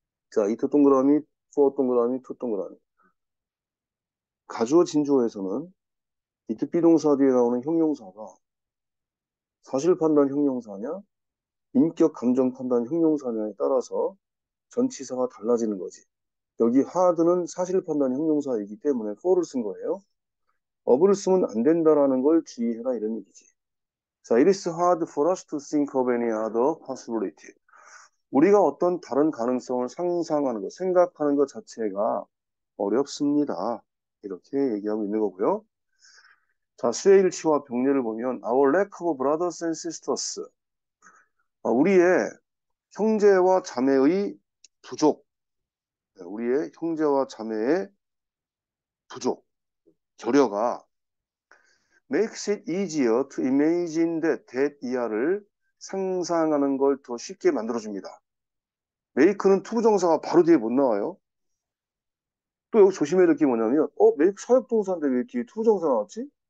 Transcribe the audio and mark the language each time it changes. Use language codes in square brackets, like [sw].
[ko] 자, 이트 동그라미, 포어 동그라미, 투 동그라미. 가주어 진주어에서는 이트 비동사 뒤에 나오는 형용사가 사실 판단 형용사냐, 인격 감정 판단 형용사냐에 따라서 전치사가 달라지는 거지. 여기 하드는 사실 판단 형용사이기 때문에 for를 쓴 거예요. 어부를 쓰면 안 된다라는 걸 주의해라, 이런 얘기지. [en] 자, it is hard for us to think of any other possibility. [ko] 우리가 어떤 다른 가능성을 상상하는 것, 생각하는 것 자체가 어렵습니다. 이렇게 얘기하고 있는 거고요. 자, 수혜일치와 병렬을 보면, [en] our lack of brothers and sisters. [ko] 우리의 형제와 자매의 부족. 우리의 형제와 자매의 부족. 결여가 [en] makes it easier to imagine that [ko] 이하를 상상하는 걸더 쉽게 만들어줍니다. make는 to 부정사가 바로 뒤에 못 나와요. 또 여기 조심해야 될게 뭐냐면, make 사역동사인데 왜 뒤에 to 부정사가 나왔지?